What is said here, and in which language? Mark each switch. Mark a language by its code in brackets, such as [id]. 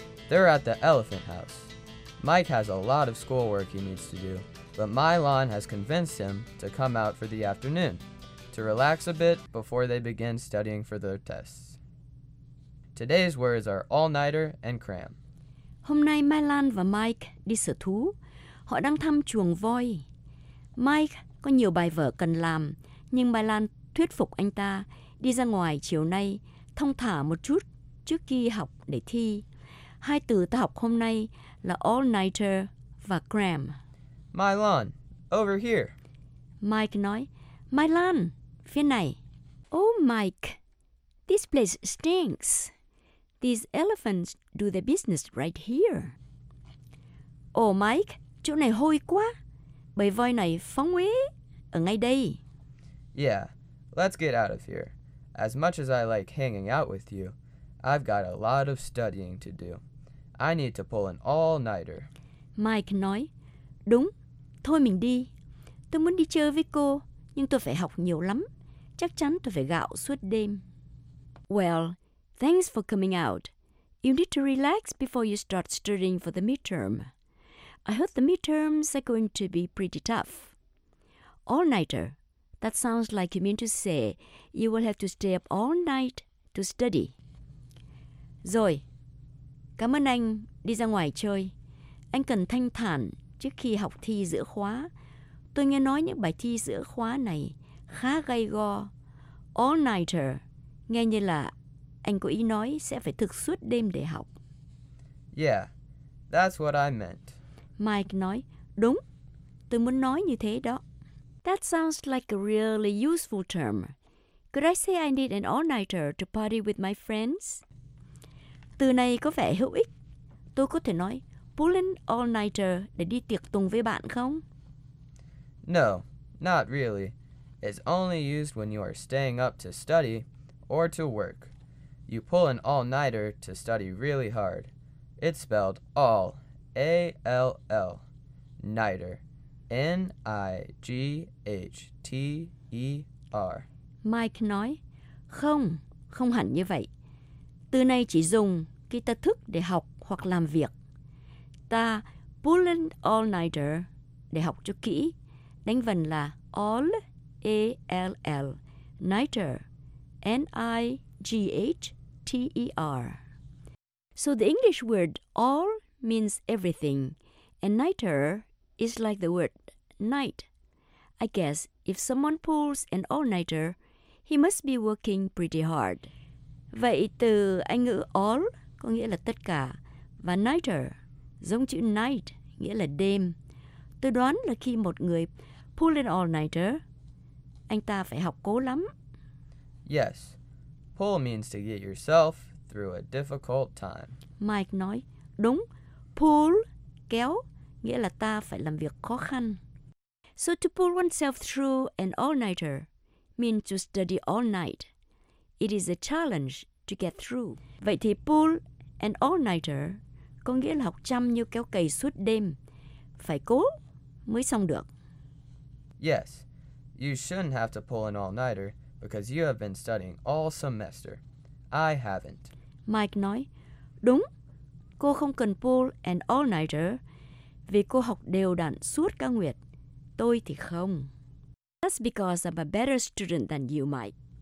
[en] They're at the elephant house. Mike has a lot of schoolwork he needs to do, but Mylon has convinced him to come out for the afternoon to relax a bit before they begin studying for their tests. Today's words are all-nighter and cram. [vi] Hôm nay Mylon và Mike đi sở thú. Họ đang thăm chuồng voi. Mike có nhiều bài vở cần làm, nhưng Mylon thuyết phục anh ta đi ra ngoài chiều nay thong thả một chút trước khi học để thi. Hai từ ta học hôm nay là all-nighter và cram. [en] Mylon, over here. [vi] Mike nói, Mylon, phía này. [en] Oh, Mike, this place stinks. These elephants do their business right here. [vi] Oh, Mike, chỗ này hôi quá. Bầy voi này phóng uế ở ngay đây. [en] Yeah, let's get out of here. As much as I like hanging out with you, I've got a lot of studying to do. I need to pull an all-nighter. [vi] Mike nói, đúng, thôi mình đi. Tôi muốn đi chơi với cô, nhưng tôi phải học nhiều lắm. Chắc chắn tôi phải gạo suốt đêm. [en] Well, thanks for coming out. You need to relax before you start studying for the midterm. I heard the midterms are going to be pretty tough. All-nighter, that sounds like you mean to say you will have to stay up all night to study. [vi] Rồi. Cảm ơn anh, đi ra ngoài chơi. Anh cần thanh thản trước khi học thi giữa khóa. Tôi nghe nói những bài thi giữa khóa này khá gay go. All-nighter, nghe như là anh có ý nói sẽ phải thức suốt đêm để học. [en] Yeah, that's what I meant. [vi] Mike nói, đúng, tôi muốn nói như thế đó. [en] That sounds like a really useful term. Could I say I need an all-nighter to party with my friends? [vi] Từ này có vẻ hữu ích. Tôi có thể nói, pull an all-nighter để đi tiệc tùng với bạn không? [en] No, not really. It's only used when you are staying up to study or to work. You pull an all-nighter to study really hard. It's spelled all, A-L-L, nighter, N-I-G-H-T-E-R. [vi] Mike nói, không, không hẳn như vậy. Từ này chỉ dùng khi ta thức để học hoặc làm việc. Ta pull an all-nighter để học cho kỹ. Đánh vần là all, A-L-L, nighter, N-I-G-H-T-E-R. [en] So the English word all means everything, and nighter is like the word night. I guess if someone pulls an all-nighter, he must be working pretty hard. [vi] Vậy từ Anh ngữ all có nghĩa là tất cả, và nighter giống chữ night nghĩa là đêm. Tôi đoán là khi một người pull an all-nighter, anh ta phải học cố lắm. [en] Yes, pull means to get yourself through a difficult time. [vi] Mike nói, đúng, pull, kéo, nghĩa là ta phải làm việc khó khăn. [en] So to pull oneself through an all-nighter means to study all night. It is a challenge to get through. [vi] Vậy thì pull an all-nighter có nghĩa là học chăm như kéo cày suốt đêm, phải cố mới xong được. [en] Yes, you shouldn't have to pull an all-nighter because you have been studying all semester. I haven't. [vi] Mike nói, đúng, cô không cần pull an all-nighter vì cô học đều đặn suốt cả nguyệt. Tôi thì không. [en] That's because I'm a better student than you, Mike.